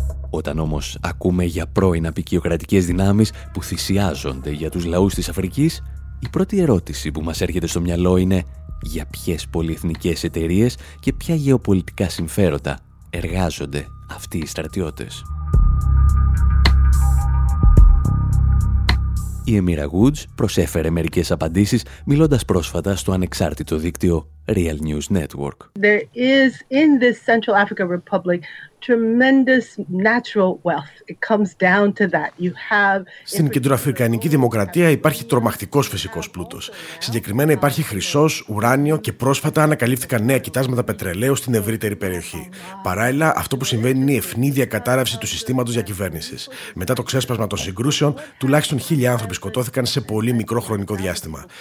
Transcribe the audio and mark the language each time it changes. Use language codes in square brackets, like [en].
[el] Όταν όμως ακούμε για πρώην αποικιοκρατικές δυνάμεις που θυσιάζονται για τους λαούς της Αφρικής, η πρώτη ερώτηση που μας έρχεται στο μυαλό είναι για ποιες πολυεθνικές εταιρείες και ποια γεωπολιτικά συμφέροντα εργάζονται αυτοί οι στρατιώτες. Η Έμιρα Γουτς προσέφερε μερικές απαντήσεις μιλώντας πρόσφατα στο ανεξάρτητο δίκτυο Real News Network. [en] There is in this Central African Republic tremendous natural wealth. It comes down to that. You have. [el] Στην Κεντροαφρικανική Δημοκρατία υπάρχει τρομακτικός φυσικός πλούτος. Συγκεκριμένα υπάρχει χρυσός, ουράνιο και πρόσφατα ανακαλύφθηκαν νέα κοιτάσματα πετρελαίου στην ευρύτερη περιοχή. Παράλληλα, αυτό που συμβαίνει είναι η ευνή διακατάρρευση του συστήματος διακυβέρνησης. Μετά το ξέσπασμα των συγκρούσεων, τουλάχιστον 1,000 άνθρωποι σκοτώθηκαν σε πολύ μικρό χρονικό διάστημα.